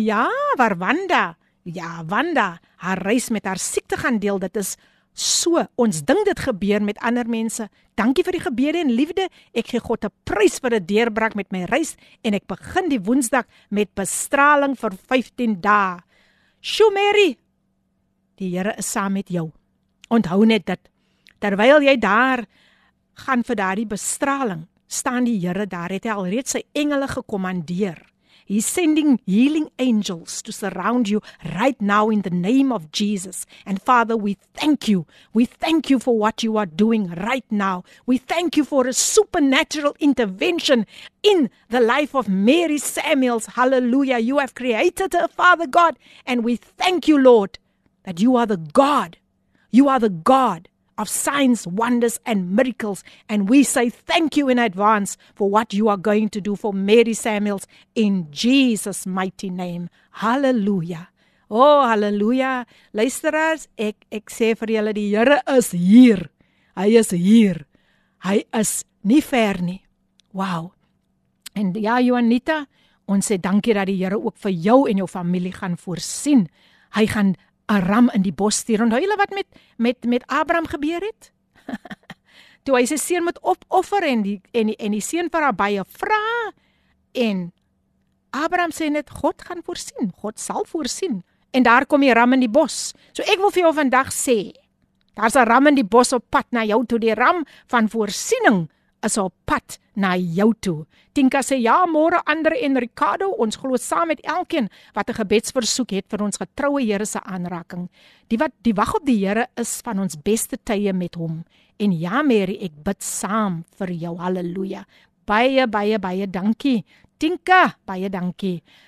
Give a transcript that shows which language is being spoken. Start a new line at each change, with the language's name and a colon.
Afrikaans: Ja, waar Wanda, haar reis met haar siekte gaan deel, dit is so, ons ding dit gebeur met ander mense. Dankie vir die gebede en liefde, ek gee God 'n prys vir 'n deurbraak met my reis en ek begin die woensdag met bestraling vir 15 dae. Sjoe Mary, die Here is saam met jou. Onthou net dit. Terwyl jy daar gaan vir daardie bestraling, staan die Here daar, het hy alreeds sy engele gekommandeer.
English: He's sending healing angels to surround you right now in the name of Jesus. And Father, we thank you. We thank you for what you are doing right now. We thank you for a supernatural intervention in the life of Mary Samuels. Hallelujah. You have created her, Father God. And we thank you, Lord, that you are the God. You are the God of signs, wonders, and miracles. And we say thank you in advance for what you are going to do for Mary Samuels in Jesus' mighty name.
Afrikaans: Hallelujah. Oh, hallelujah. Luisteraars, ek sê vir julle, die Here is hier. Hy is hier. Hy is nie ver nie. Wow. En ja, Joanita, ons sê dankie dat die Here ook vir jou en jou familie gaan voorsien. Hy gaan een ram in die bos stuur. Onthou julle wat met Abraham gebeur het? Toe hy sy seun moet opoffer en die seun vir haar baie vra. En Abraham sê net, God gaan voorsien. God sal voorsien. En daar kom die ram in die bos. So ek wil vir jou vandag sê, daar's 'n ram in die bos op pad na jou toe. Die ram van voorsiening is op pad na jou toe. Tinka sê, ja, môre Andre en Ricardo, ons glo saam met elkeen wat 'n gebedsversoek het vir ons getroue Here se aanraking. Die wag op die Here is van ons beste tye met hom. En ja, Mary, ek bid saam vir jou, halleluja. Baie dankie. Tinka, baie dankie.